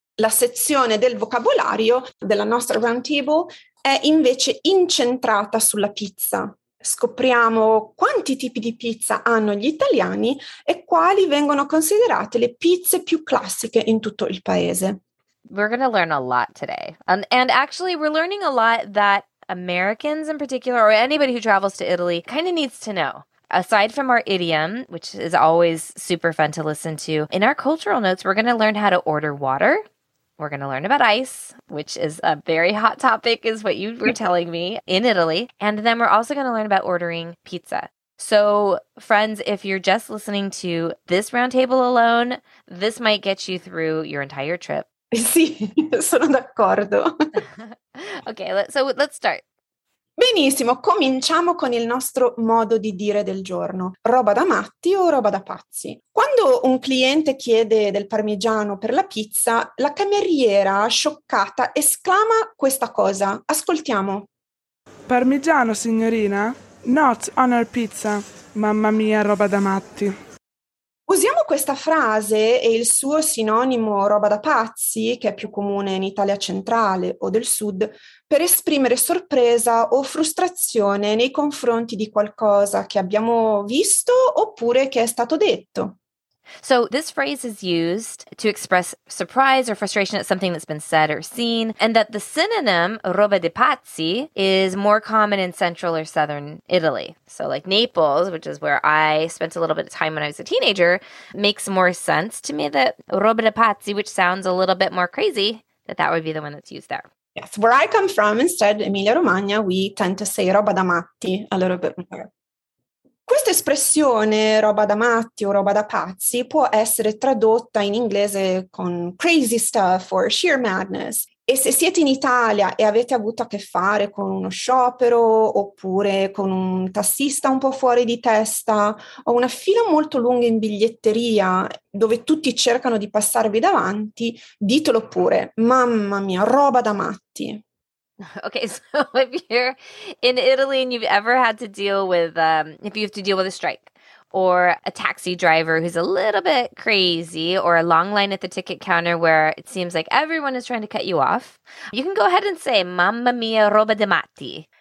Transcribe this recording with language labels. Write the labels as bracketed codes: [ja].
[it] La sezione del vocabolario della nostra round table è invece incentrata sulla pizza. Scopriamo quanti tipi di pizza hanno gli italiani e quali vengono considerate le pizze più classiche in tutto il paese. [en] We're going to learn a lot today. And actually, we're learning a lot that Americans in particular, or anybody who travels to Italy, kind of needs to know. Aside from our idiom, which is always super fun to listen to, in our cultural notes, we're going to learn how to order water. We're going to learn about ice, which is a very hot topic, is what you were telling me, in Italy. And then we're also going to learn about ordering pizza. So, friends, if you're just listening to this roundtable alone, this might get you through your entire trip. [it] Sì, sono d'accordo. [en] Okay, let's start. [it] Benissimo, cominciamo con il nostro modo di dire del giorno. Roba da matti o roba da pazzi? Quando un cliente chiede del parmigiano per la pizza, la cameriera, scioccata, esclama questa cosa. Ascoltiamo. Parmigiano, signorina? [en] Not on our pizza. [it] Mamma mia, roba da matti. Usiamo questa frase e il suo sinonimo roba da pazzi, che è più comune in Italia centrale o del sud, per esprimere sorpresa o frustrazione nei confronti di qualcosa che abbiamo visto oppure che è stato detto. [en] So this phrase is used to express surprise or frustration at something that's been said or seen, and that the synonym roba di pazzi is more common in central or southern Italy. So like Naples, which is where I spent a little bit of time when I was a teenager, makes more sense to me that roba di pazzi, which sounds a little bit more crazy, that would be the one that's used there. Yes, where I come from, instead, Emilia Romagna, we tend to say roba da matti a little bit more. [it] Questa espressione roba da matti o roba da pazzi può essere tradotta in inglese con [en] crazy stuff or sheer madness. [it] E se siete in Italia e avete avuto a che fare con uno sciopero oppure con un tassista un po' fuori di testa o una fila molto lunga in biglietteria dove tutti cercano di passarvi davanti, ditelo pure, mamma mia, roba da matti. [en] Okay, so if you're in Italy and you've ever had to deal with, if you have to deal with a strike or a taxi driver who's a little bit crazy or a long line at the ticket counter where it seems like everyone is trying to cut you off, you can go ahead and say, mamma mia, roba di matti.